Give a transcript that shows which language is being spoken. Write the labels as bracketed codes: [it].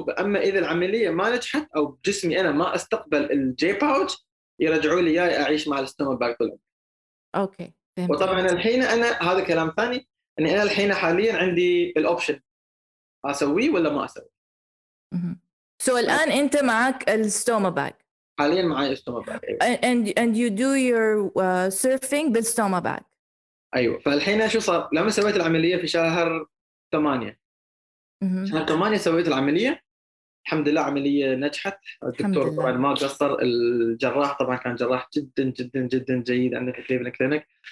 [ar] أما إذا العملية ما نجحت أو جسمي أنا ما استقبل الجي باوتش، يرجعوا لي إياي أعيش مع الستوما باك طول عمري. أوكي فهمت. وطبعاً الحين أنا هذا كلام ثاني، أني أنا الحين حالياً عندي الأوبشن أسويه ولا ما أسويه. So الآن أنت معك الستوما باك. حالياً معي الستوما باك. [en] And you do your surfing [ar] بالستوما باك. أيوة. فالحين شو صار؟ لما سويت العملية في شهر 8. شهر 8 سويت العملية. الحمد لله عملية نجحت. الدكتور طبعاً ما قصر. الجراح طبعاً كان جراح جداً جداً جداً جيد عندك في الكلينيك.